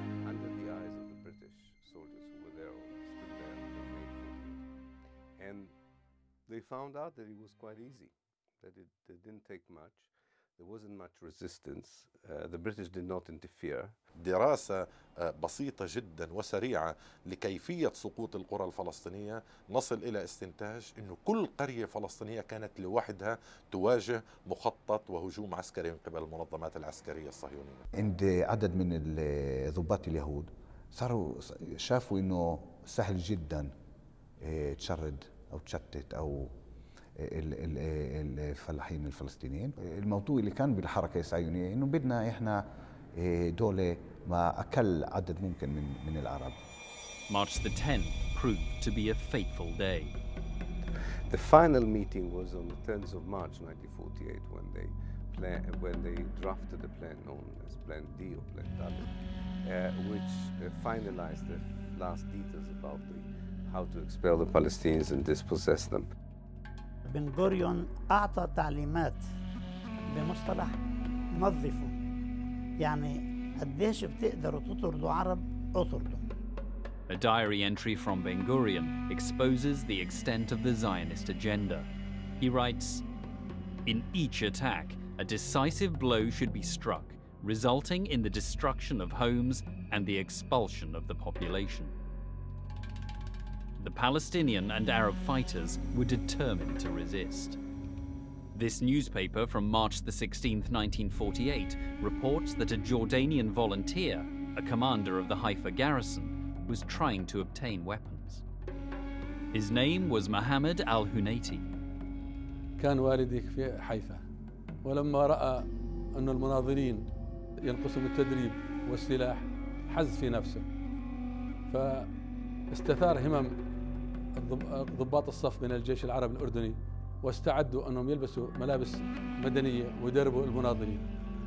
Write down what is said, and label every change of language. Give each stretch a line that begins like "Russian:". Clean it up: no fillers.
English: Under the eyes of the British soldiers who were there, stood there, and made food. And they found out that it was quite easy, that it didn't take much, there wasn't much resistance, the British did not interfere.
Arabic: دراسة بسيطة جدا وسريعة لكيفية سقوط القرى الفلسطينية نصل إلى استنتاج أنه كل قرية فلسطينية كانت لوحدها تواجه مخطط وهجوم عسكري من قبل المنظمات العسكرية الصهيونية. عند عدد من الضباط اليهود صاروا شافوا أنه سهل جدا تشرد أو تشتت أو الفلاحين الفلسطينيين. الموضوع اللي كان بالحركة الصهيونية أنه بدنا إحنا دولة ما أقل عدد ممكن من العرب.
English: March the 10th proved to be a fateful day. The final meeting was on the 10th of March 1948 when they drafted a plan known as Plan D or Plan W, which finalized the last details about how to expel the Palestinians and dispossess them.
Arabic: بن غوريون أعطى تعليمات بمصطلح نظفه. يعني قديش بتقدروا تطردوا عرب اطردوا.
English: A diary entry from Ben-Gurion exposes the extent of the Zionist agenda. He writes, "In each attack, a decisive blow should be struck, resulting in the destruction of homes and the expulsion of the population." The Palestinian and Arab fighters were determined to resist. This newspaper from March the 16th, 1948, reports that a Jordanian volunteer, a commander of the Haifa garrison, was trying to obtain weapons. His name was Mohammed Al-Hunayti.
Arabic: كان والدي في حيفا ولما رأى أن المناظرين ينقصهم التدريب والسلاح حز في نفسه فاستثار همم ضباط الصف من الجيش العربي الأردني واستعدوا أنهم يلبسوا ملابس مدنية ويدربوا المناظرين.